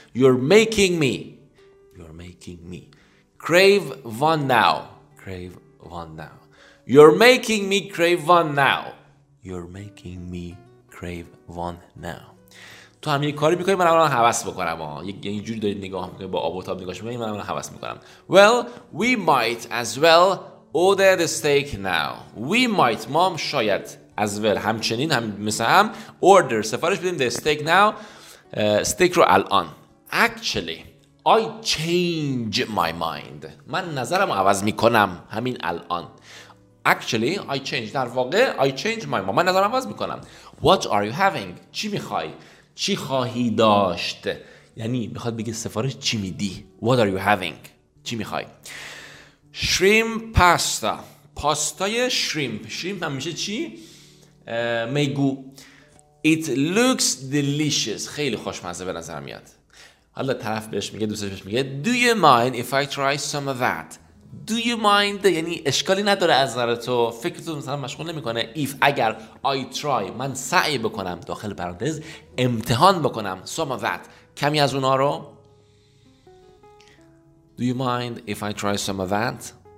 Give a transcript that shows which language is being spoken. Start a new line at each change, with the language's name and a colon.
English: You're making me. You're making me crave one now. Crave one now. You're making me crave one now. You're making me crave one now.
Persian: تو هم یه کاری میکنی منم الان حوس میکنم. یه جوری دارید نگاه میکنید با آب و تاب نگاهش میکنید منم الان حوس میکنم.
English: Well, we might as well order the steak now. We might, mom,
Persian: شاید
English: as well,
Persian: همچنین هم مثل هم
English: order,
Persian: سفارش بدیم
English: the steak now. Steak
Persian: رو الان.
English: Actually, I change my mind.
Persian: من نظرم عوض میکنم همین الان.
English: Actually, I change.
Persian: در واقع,
English: I change my mind.
Persian: من نظرم عوض میکنم.
English: What are you having?
Persian: چی میخوای؟ چی خواهی داشت؟ یعنی میخواد بگه سفارش چی میدی؟
English: What are you having?
Persian: چی میخوای؟
English: Shrimp pasta.
Persian: پاستای shrimp.
English: Shrimp
Persian: همیشه چی؟ میگو.
English: It looks delicious.
Persian: خیلی خوشمزه به نظر میاد. حالا طرف بهش میگه، دوستش بهش میگه
English: Do you mind if I try some of that? Do you mind؟
Persian: یعنی اشکالی نداره از نظر تو، فکرتو مثلا مشغول نمیکنه.
English: If
Persian: اگر
English: I try،
Persian: من سعی بکنم داخل پرانتز امتحان بکنم
English: some of that،
Persian: کمی از اونا رو.
English: Do you mind if I try some of that?